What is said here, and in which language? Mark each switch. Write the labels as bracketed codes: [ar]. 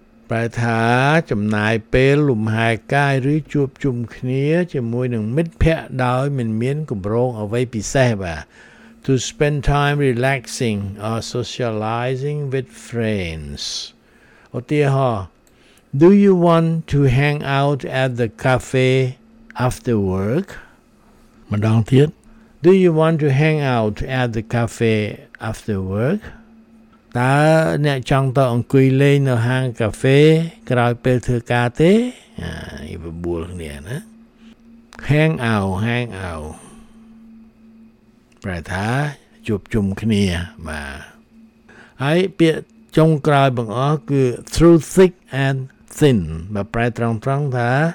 [km] ប្រាថ្នាចំណាយពេលលំហែកាយឬជួបជុំគ្នាជាមួយនឹងមិត្តភ័ក្តិដោយមិនមានកម្រងអ្វីពិសេសបាទ [en] To spend time relaxing or socializing with friends [km] ឧទាហរណ៍ [en] Do you want to hang out at the cafe after work? [km] ម្ដងទៀត [en] Do you want to hang out at the cafe after work? [km] តើអ្នកចង់ទៅអង្គុយលេងនៅហាងកាហ្វេក្រោយពេលធ្វើការទេអាយបបួលគ្នាណា [en] Hang out hang out [km] ប្រថាជួបជុំគ្នាបាទហើយពាក្យចុងក្រោយបង្អស់គឺ [en] through thick and thin [km] បើប្រែត្រង់ត្រង់ថា